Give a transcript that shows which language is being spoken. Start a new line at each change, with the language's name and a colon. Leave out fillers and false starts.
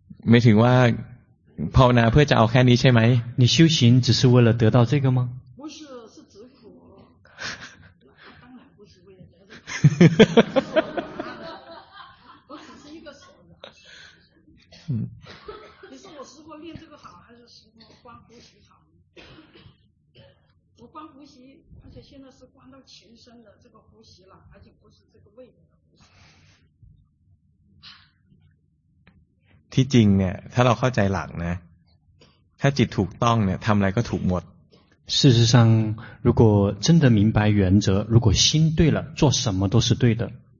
Thai: ไม่ถึงว่าภาวนาเพื่อจะเอาแค่นี้ใช่ไหม
Chinese: 你修行只是为了得到这个吗我只是一个手的你说我师父练这个好还是师父观呼吸好我观呼吸而且现在是观到全身的这个呼吸了而且不是这个位置的呼吸
Thai: ที่จริงเนี่ยถ้าเราเข้าใจหลักนะถ้าจิตถูกต้องเนี่ยทำอะไรก็ถูกหมด
Chinese: 事实上如果真的明白原则如果心对了做什么都是对的